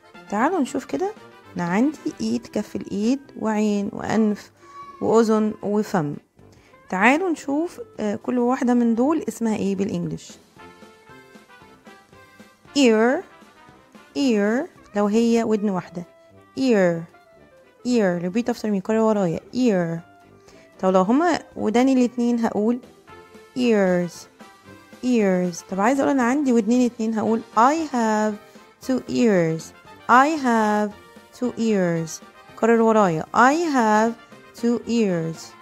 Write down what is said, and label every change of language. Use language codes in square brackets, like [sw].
[ar] تعالوا نشوف كده، انا عندي ايد، كف الايد، وعين، وانف، واذن، وفم. تعالوا نشوف كل واحده من دول اسمها ايه بالانجلش. [en] ear، ear [ar] لو هي ودن واحده. [en] ear، ear، repeat after me، [ar] كرر ورايا. [en] ear. [ar] طب لو هما وداني الاثنين هقول [en] ears، ears. [ar] طب عايز اقول انا عندي ودنين اثنين، هقول [en] I have two ears، [ar] I have two ears. كرر ورايا. [en] I have two ears.